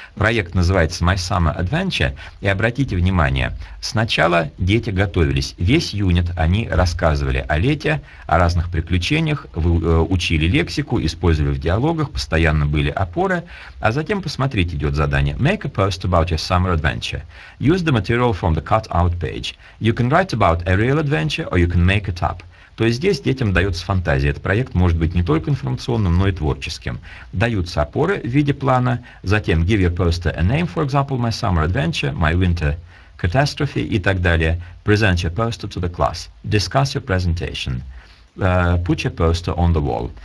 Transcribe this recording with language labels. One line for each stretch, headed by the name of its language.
Russian: Проект называется «My Summer Adventure», и обратите внимание, сначала дети готовились. Весь юнит они рассказывали о лете, о разных приключениях, учениях, вы учили лексику, использовали в диалогах, постоянно были опоры, а затем, посмотрите, идет задание.
English: Make a post about your summer adventure. Use the material from the cut-out page. You can write about a real adventure, or you can make it up.
Russian: То есть здесь детям дается фантазия. Этот проект может быть не только информационным, но и творческим. Даются опоры в виде плана, затем
English: give your poster a name, for example, my summer adventure, my winter catastrophe
Russian: и так далее.
English: Present your poster to the class. Discuss your presentation. Put your poster on the wall.